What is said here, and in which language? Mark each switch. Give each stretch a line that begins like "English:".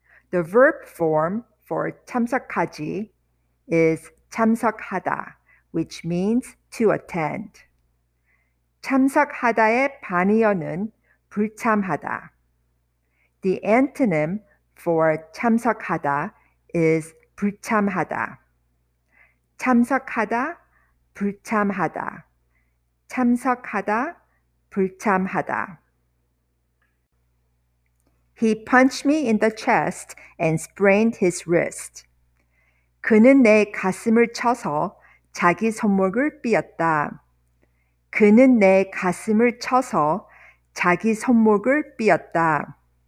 English: The verb form for 참석하지 is 참석하다, which means to attend.
Korean: 참석하다의 반이어는 불참하다.
English: The antonym for 참석하다 is 불참하다.
Korean: 참석하다, 불참하다. 참석하다, 불참하다.
English: He punched me in the chest and sprained his wrist.
Korean: 그는 내 가슴을 쳐서 자기 손목을 삐었다. 그는 내 가슴을 쳐서 자기 손목을 삐었다.